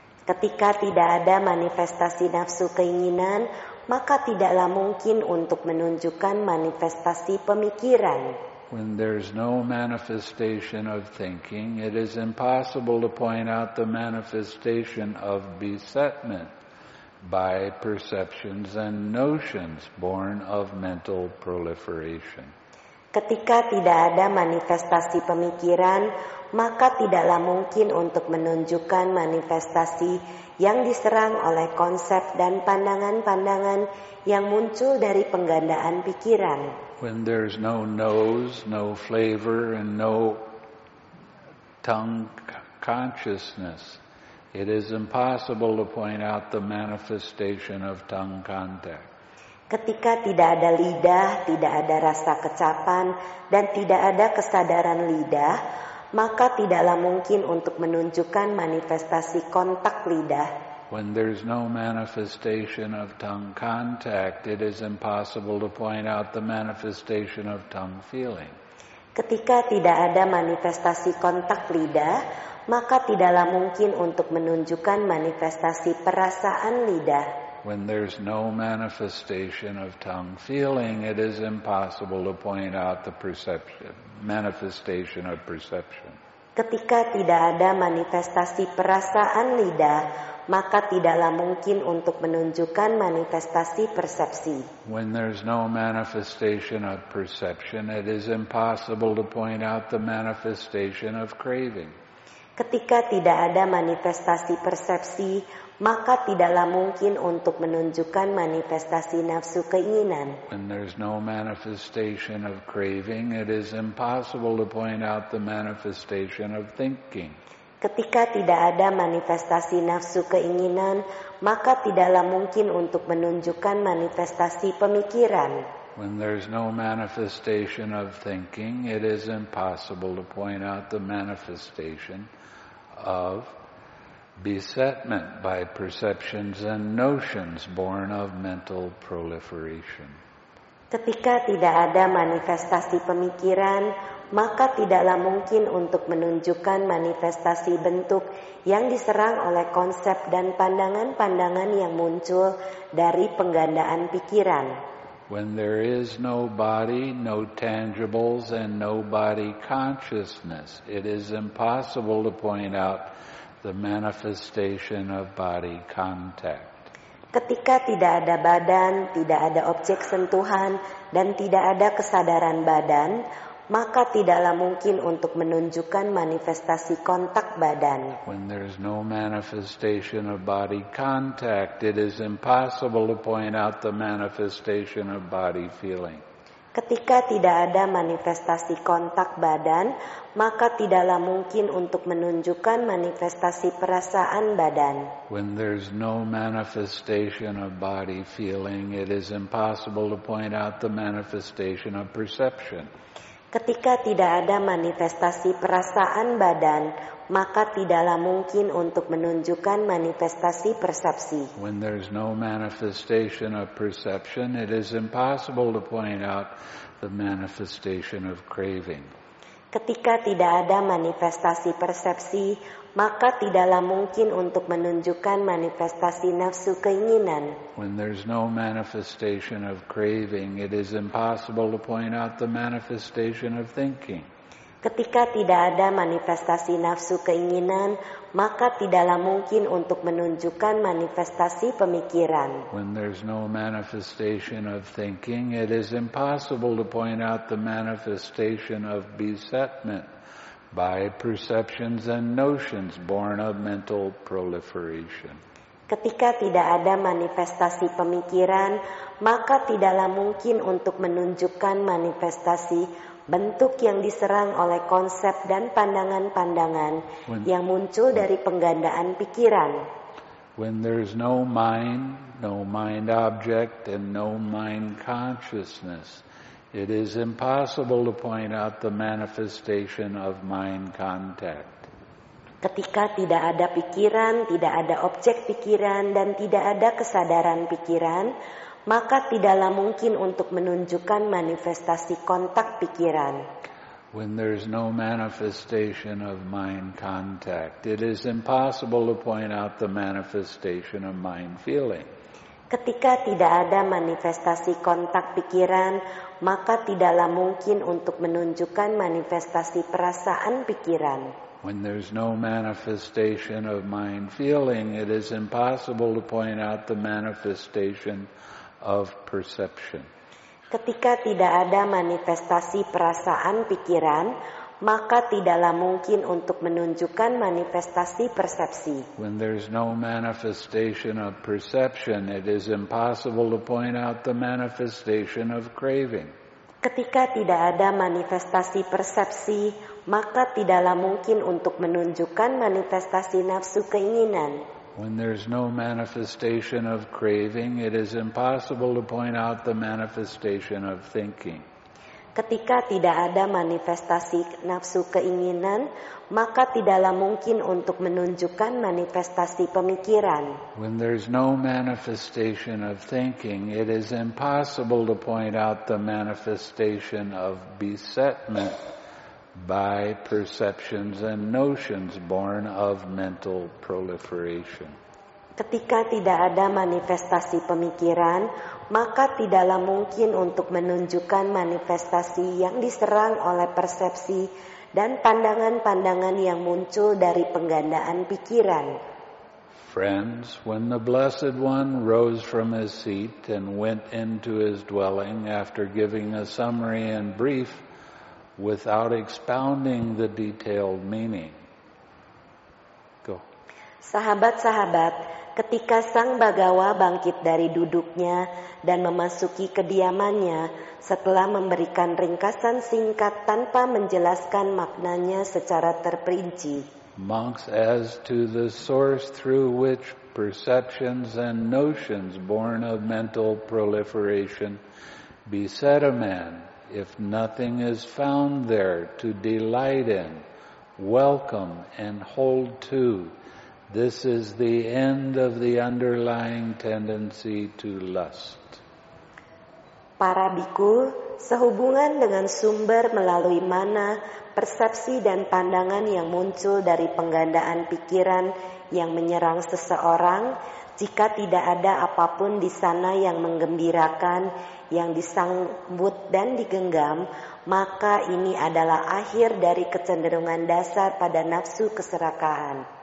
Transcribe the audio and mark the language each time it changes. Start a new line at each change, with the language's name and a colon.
Indonesian: Ketika tidak ada manifestasi nafsu keinginan, maka tidaklah mungkin untuk menunjukkan manifestasi pemikiran.
English: When there is no manifestation of thinking, it is impossible to point out the manifestation of besetment by perceptions and notions born of mental proliferation.
Indonesian: Ketika tidak ada manifestasi pemikiran, maka tidaklah mungkin untuk menunjukkan manifestasi yang diserang oleh konsep dan pandangan-pandangan yang muncul dari penggandaan pikiran.
English: When there is no nose, no flavor, and no tongue consciousness, it is impossible to point out the manifestation of tongue contact.
Indonesian: Ketika tidak ada lidah, tidak ada rasa kecapan, dan tidak ada kesadaran lidah, maka tidaklah mungkin untuk menunjukkan manifestasi kontak lidah.
English: When there's no manifestation of tongue contact, it is impossible to point out the manifestation of tongue feeling.
Indonesian: Ketika tidak ada manifestasi kontak lidah, maka tidaklah mungkin untuk menunjukkan manifestasi perasaan lidah.
English: When there's no manifestation of tongue feeling, it is impossible to point out the manifestation of perception.
Indonesian: Ketika tidak ada manifestasi perasaan lidah, maka tidaklah mungkin untuk menunjukkan manifestasi persepsi.
English: When there's no manifestation of perception, it is impossible to point out the manifestation of craving.
Indonesian: Ketika tidak ada manifestasi persepsi, maka tidaklah mungkin untuk menunjukkan manifestasi nafsu keinginan.
English: When there's no manifestation of craving, it is impossible to point out the manifestation of thinking.
Indonesian: Ketika tidak ada manifestasi nafsu keinginan, maka tidaklah mungkin untuk menunjukkan manifestasi pemikiran.
English: When there's no manifestation of thinking, it is impossible to point out the manifestation of besetment by perceptions and notions born of mental proliferation.
Indonesian: Ketika tidak ada manifestasi pemikiran, maka tidaklah mungkin untuk menunjukkan manifestasi bentuk yang diserang oleh konsep dan pandangan-pandangan yang muncul dari penggandaan pikiran.
English: When there is no body, no tangibles, and no body consciousness, it is impossible to point out the manifestation of body contact.
Indonesian: Ketika tidak ada badan, tidak ada objek sentuhan, dan tidak ada kesadaran badan, maka tidaklah mungkin untuk menunjukkan manifestasi kontak badan.
English: When there is no manifestation of body contact, it is impossible to point out the manifestation of body feeling.
Indonesian: Ketika tidak ada manifestasi kontak badan, maka tidaklah mungkin untuk menunjukkan manifestasi perasaan badan.
English: When there's no manifestation of body feeling, it is impossible to point out the manifestation of perception.
Indonesian: Ketika tidak ada manifestasi perasaan badan, maka tidaklah mungkin untuk menunjukkan manifestasi persepsi.
English: When there's no manifestation of perception, it is impossible to point out the manifestation of craving.
Indonesian: Ketika tidak ada manifestasi persepsi, maka tidaklah mungkin untuk menunjukkan manifestasi nafsu keinginan.
English: When there's no manifestation of craving, it is impossible to point out the manifestation of thinking.
Indonesian: Ketika tidak ada manifestasi nafsu keinginan, maka tidaklah mungkin untuk menunjukkan manifestasi pemikiran.
English: When there's no manifestation of thinking, it is impossible to point out the manifestation of besetment by perceptions and notions born of mental proliferation.
Indonesian: Ketika tidak ada manifestasi pemikiran, maka tidaklah mungkin untuk menunjukkan manifestasi bentuk yang diserang oleh konsep dan pandangan-pandangan yang muncul dari penggandaan pikiran.
English: When there's no mind, no mind object, and no mind consciousness, it is impossible to point out the manifestation of mind contact.
Indonesian: Ketika tidak ada pikiran, tidak ada objek pikiran, dan tidak ada kesadaran pikiran, maka tidaklah mungkin untuk menunjukkan manifestasi kontak pikiran.
English: When there is no manifestation of mind contact, it is impossible to point out the manifestation of mind feeling.
Indonesian: Ketika tidak ada manifestasi kontak pikiran, maka tidaklah mungkin untuk menunjukkan manifestasi perasaan pikiran.
English: When there's no manifestation of mind feeling, it is impossible to point out the manifestation of perception.
Indonesian: Ketika tidak ada manifestasi perasaan pikiran, maka tidaklah mungkin untuk menunjukkan manifestasi persepsi.
English: When there's no manifestation of perception, it is impossible to point out the manifestation of craving.
Indonesian: Ketika tidak ada manifestasi persepsi, maka tidaklah mungkin untuk menunjukkan manifestasi nafsu keinginan.
English: When there's no manifestation of craving, it is impossible to point out the manifestation of thinking.
Indonesian: Ketika tidak ada manifestasi nafsu keinginan, maka tidaklah mungkin untuk menunjukkan manifestasi pemikiran.
English: When there is no manifestation of thinking, it is impossible to point out the manifestation of besetment by perceptions and notions born of mental proliferation.
Indonesian: Ketika tidak ada manifestasi pemikiran, maka tidaklah mungkin untuk menunjukkan manifestasi yang diserang oleh persepsi dan pandangan-pandangan yang muncul dari penggandaan pikiran.
English: Friends, when the Blessed One rose from his seat and went into his dwelling after giving a summary in brief without expounding the detailed meaning. Go.
Indonesian: Sahabat-sahabat, ketika Sang Bhagava bangkit dari duduknya dan memasuki kediamannya setelah memberikan ringkasan singkat tanpa menjelaskan maknanya secara terperinci.
English: Monks, as to the source through which perceptions and notions born of mental proliferation beset a man, if nothing is found there to delight in, welcome and hold to, this is the end of the underlying tendency to lust.
Indonesian: Para bhikkhu, sehubungan dengan sumber melalui mana persepsi dan pandangan yang muncul dari penggandaan pikiran yang menyerang seseorang, jika tidak ada apapun di sana yang menggembirakan, yang disambut dan digenggam, maka ini adalah akhir dari kecenderungan dasar pada nafsu keserakahan.